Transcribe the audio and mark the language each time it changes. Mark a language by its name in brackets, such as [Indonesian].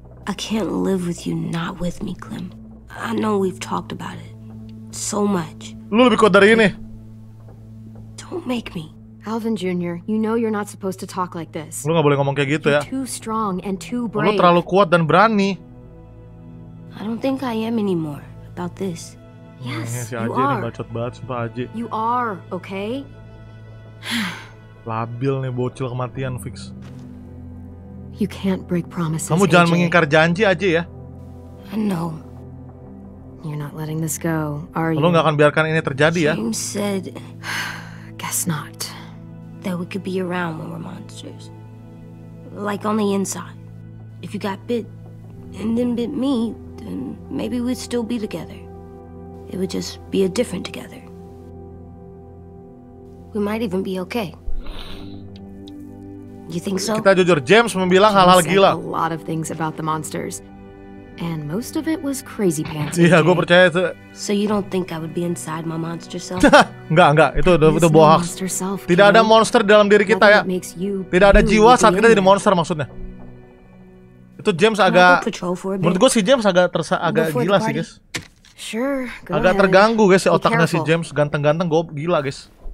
[English] I can't live with you not with me, Clem. I know we've talked about it so much. [Indonesian] Lu lebih kuat dari ini. [English] Don't make me. Alvin Jr., you know you're not supposed to talk like this. [Indonesian] Lu gak boleh ngomong kayak gitu ya. [English] You're too strong and too brave. [Indonesian] Lu terlalu kuat dan berani. [English] I don't think I am anymore about this. Yes, [Indonesian] si Aji ini bacot banget, sumpah Aji. [English] You are, okay? [Indonesian] Labil nih bocil kematian fix. [English] You can't break promises. [Indonesian] Kamu jangan Mengingkar janji Aji ya. [English] No. You're not letting this go, are you? [Indonesian] Lo nggak akan biarkan ini terjadi ya? [English] James said, guess not. That we could be around when we're monsters, like on the inside. If you got bit and then bit me, then maybe we'd still be together. It would just be a different together. We might even be okay. You think so? [Indonesian] Kita jujur, James membilang hal-hal gila. [English] A lot of things about the monsters, and most of it was crazy pants. [Indonesian] Iya, gue percaya itu. [English] So you don't think I would be inside my monster self? [Indonesian] Enggak, itu bohong. Tidak ada monster dalam diri kita ya. Tidak ada jiwa saat kita jadi monster maksudnya. Itu James agak, menurut gue si James agak gila sih, guys. [English] Sure. [Indonesian] Agak ahead. Terganggu guys otaknya si James, ganteng-ganteng gue gila guys.